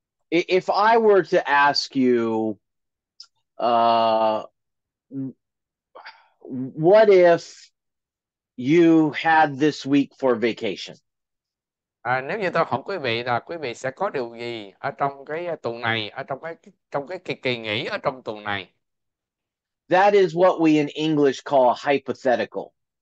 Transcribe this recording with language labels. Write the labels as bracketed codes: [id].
[en] if I were to ask you, what if you had this week for vacation? [vi] À, nếu như tôi hỏi quý vị là quý vị sẽ có điều gì ở trong cái tuần này, ở trong cái kỳ nghỉ ở trong tuần này. [en] That is what we in English call hypothetical.